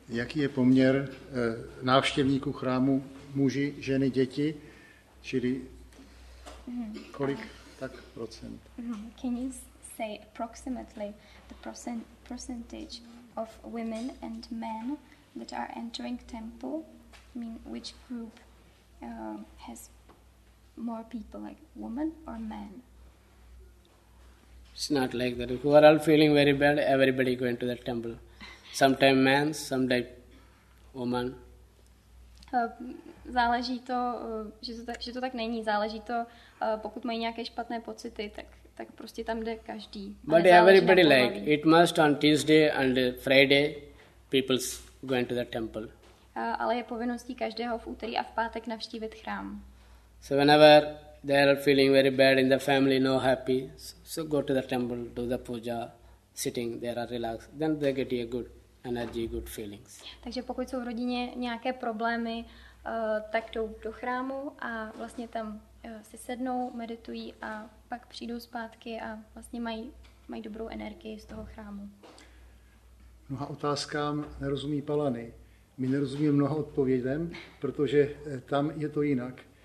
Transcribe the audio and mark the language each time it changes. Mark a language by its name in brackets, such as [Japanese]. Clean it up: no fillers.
[Czech] Jaký je poměr návštěvníků chrámu muži, ženy, děti? Čili kolik tak procent? [English] Can you say approximately the percentage of women and men that are entering temple? I mean, which group has more people, like women or men? It's not like that. If we are all feeling very bad, everybody going to the temple. Sometimes men, sometimes women. [Czech] Záleží to, že to tak není. Záleží to, pokud mají nějaké špatné pocity, tak prostě tam jde každý. [English] But everybody like, it must on Tuesday and Friday, people's going to the temple. [Czech] Ale je povinností každého v úterý a v pátek navštívit chrám. [English] So whenever they are feeling very bad in the family, no happy, so go to the temple, do the puja, sitting there are relaxed, then they get a good energy, good feelings. [Czech] Takže pokud jsou v rodině nějaké problémy, tak jdou do chrámu a vlastně tam si sednou, meditují a pak přijdou zpátky a vlastně mají dobrou energii z toho chrámu. Mnoha otázkám nerozumí Palany. My nerozumíme mnoha odpovědem, protože tam je to jinak.